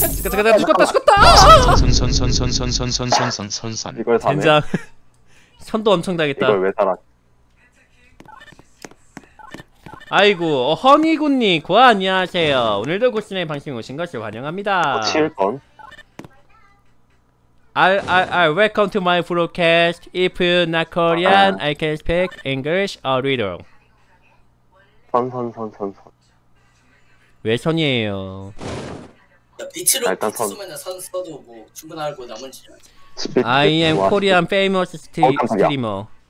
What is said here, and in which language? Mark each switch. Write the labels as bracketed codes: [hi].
[ko] 잠깐, 죽었다, 죽었다! 선. 이걸 다 된장. 선도 엄청 당했다. 이걸 왜 달아? 아이고, 허니군님, 고아 안녕하세요. 오늘도 고스네 방송 오신 것을 환영합니다. 칠건. [en] I welcome to my broadcast. If you're not Korean, I can speak English a little. [ko] 선. 왜 선이에요? 야, 빛으로 일단 선. 선 써도 뭐 충분할 거 나머지. [en] I am Korean famous streamer.